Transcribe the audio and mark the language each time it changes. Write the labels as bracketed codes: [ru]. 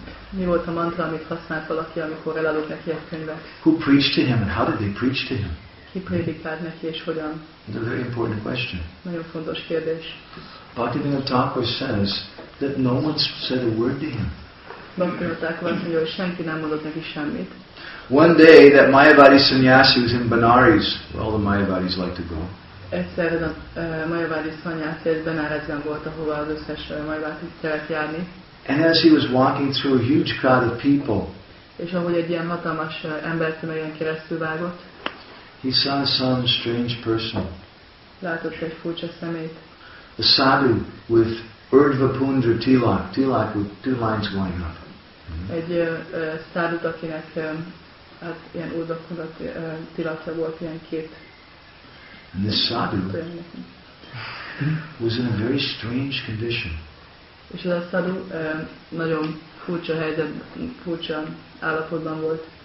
[hu] Mi volt a mantra, amit használt valaki, amikor eladott neki egy könyvet? [en] Who preached to him and how did they preach to him? [hu] Ki prédikált neki és hogyan? [en] It's a very important question. [hu] Nagyon fontos kérdés. [en] Bhaktivinoda Thakur says that no one said a word to him. [hu] Bhaktivinoda Thakur azt mondja, hogy senki nem mondott neki semmit. [en] One day that Mayavadi sannyasi was in Benares, where all the Mayavadis like to go. [hu] Egyszer a Mayavadi szanyászi egy Benárezben volt, ahova az összes Mayavadi kellett járni. [en] And as he was walking through a huge crowd of people, [hu] és ahogy egy ilyen hatalmas embertömegen keresztül vágott, [en] he saw some strange person. [hu] Látott egy furcsa szemét. [en] A sadhu with urdhva pundra tilak, tilak with two lines going up. [hu] Egy sadhu, akinek hát ilyen urdhva pundra tilakja volt, ilyen két. [en] And this sadhu was in a very strange condition. [hu] És az a sadhu nagyon furcsa helyzet, furcsa állapotban volt.